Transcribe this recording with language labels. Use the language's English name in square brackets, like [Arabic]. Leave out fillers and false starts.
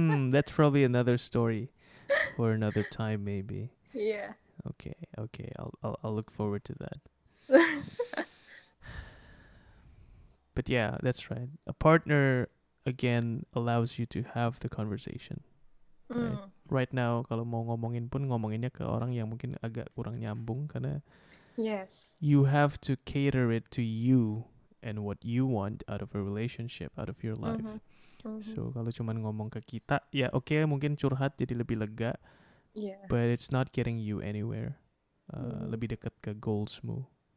[English] That's probably another story for another time, maybe. Yeah. Okay. I'll look forward to that. But yeah, that's right. A partner again allows you to have the conversation. [Indonesian] Right now, kalau mau ngomongin pun ngomonginnya ke orang yang mungkin agak kurang nyambung karena [English] yes. You have to cater it to you and what you want out of a relationship, out of your life. [Indonesian] So kalau cuman ngomong ke kita, ya okay, mungkin curhat jadi lebih lega. [English] Yeah. But it's not getting you anywhere. [Indonesian] Lebih dekat ke goalsmu.